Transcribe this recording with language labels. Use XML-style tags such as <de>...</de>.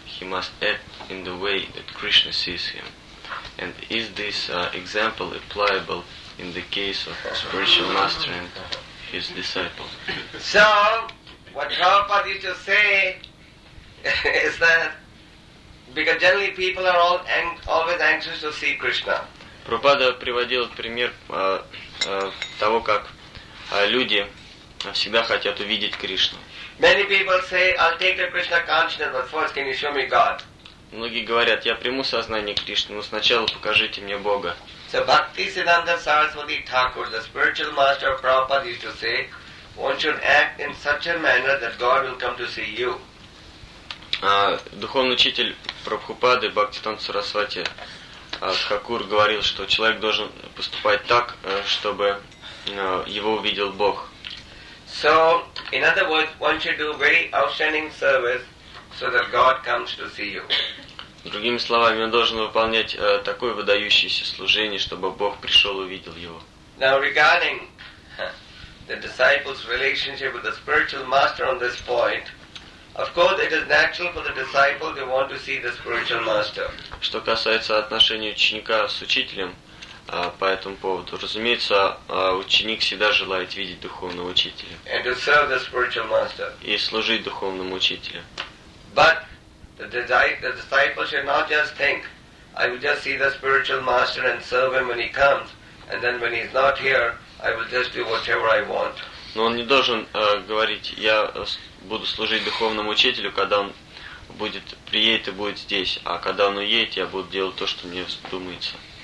<en>He must act in the way that Krishna sees him. And is this example applicable in the case of spiritual master and his disciple? So, what Prabhupada used to say is that because generally people are always anxious to see Krishna.</en> <ru>Prabhupada приводил пример того, как люди всегда хотят увидеть Кришну.</ru> <en>Many people say, "I'll take the Krishna consciousness, but first, can you show me God?"</en> <ru>Многие говорят, я приму сознание Кришны, но сначала покажите мне Бога.</ru> <en>So Bhakti Siddhanta Saraswati Thakur, the spiritual master of Prabhupada, used to say, "One should act in such a manner that God will come to see you."</en> <ru>Духовный учитель Прабхупады Бхакти Танта Сарасвати Хакур говорил, что человек должен поступать так, чтобы его увидел Бог.</ru> <en>So, in other words, one should do very outstanding service so that God comes to see you.</en> <ru>Другими словами, он должен выполнять такое выдающееся служение, чтобы Бог пришел и увидел его.</ru> <en>Now regarding the disciples' relationship with the spiritual master on this point, of course, it is natural for the disciple to want to see the spiritual master.</en> <ru>Что касается отношений ученика с учителем по этому поводу, разумеется, ученик всегда желает видеть духовного учителя.</ru> <en>And to serve the spiritual master.</en> <ru>И служить духовному учителю.</ru> <en>But the disciple should not just think, I will just see the spiritual master and serve him when he comes, and then when he's not here, I will just do whatever I want.</en> <ru>Но он не должен говорить, я буду служить духовному учителю, когда он будет приедет и будет здесь, а когда он уедет, я буду делать то, что мне вздумается.</ru>